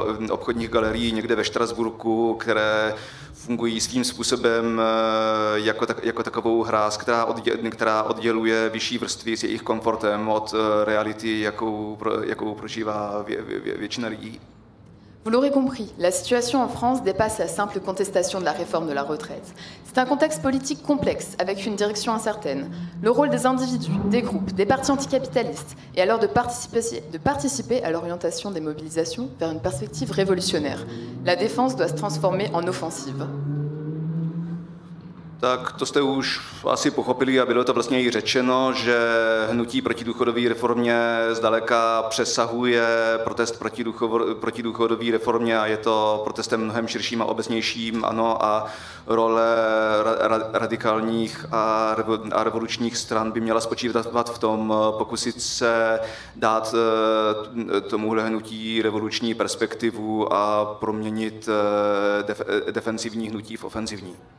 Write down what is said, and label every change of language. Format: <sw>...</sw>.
<cs>obchodních galerií někde ve Štrasburku, které fungují svým způsobem jako takovou hráz, která odděluje vyšší vrstvy s jejich komfortem od reality, jakou prožívá většina lidí.</cs> <fr>Vous l'aurez compris, la situation en France dépasse la simple contestation de la réforme de la retraite. C'est un contexte politique complexe, avec une direction incertaine. Le rôle des individus, des groupes, des partis anticapitalistes est alors de participer à l'orientation des mobilisations vers une perspective révolutionnaire. La défense doit se transformer en offensive.</fr> <cs>Tak to jste už asi pochopili a bylo to vlastně i řečeno, že hnutí proti důchodové reformě zdaleka přesahuje protest proti důchodové reformě a je to protestem mnohem širším a obecnějším, ano, a role radikálních a revolučních stran by měla spočívat v tom, pokusit se dát tomuhle hnutí revoluční perspektivu a proměnit defensivní hnutí v ofenzivní.</cs>